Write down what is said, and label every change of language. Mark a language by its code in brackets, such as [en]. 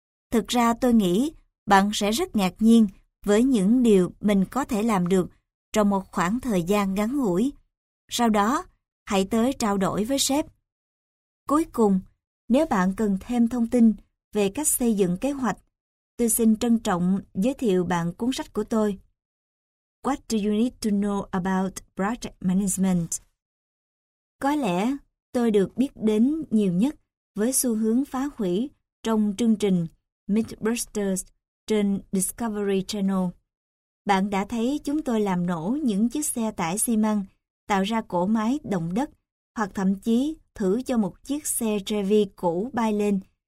[vi] Thực ra tôi nghĩ bạn sẽ rất ngạc nhiên với những điều mình có thể làm được trong một khoảng thời gian ngắn ngủi. Sau đó, hãy tới trao đổi với sếp. Cuối cùng, nếu bạn cần thêm thông tin về cách xây dựng kế hoạch, tôi xin trân trọng giới thiệu bạn cuốn sách của tôi. [en] What do you need to know about project management? [vi] Có lẽ tôi được biết đến nhiều nhất với xu hướng phá hủy trong chương trình Mythbusters trên Discovery Channel. Bạn đã thấy chúng tôi làm nổ những chiếc xe tải xi măng, tạo ra cỗ máy động đất, hoặc thậm chí thử cho một chiếc xe Chevy cũ bay lên.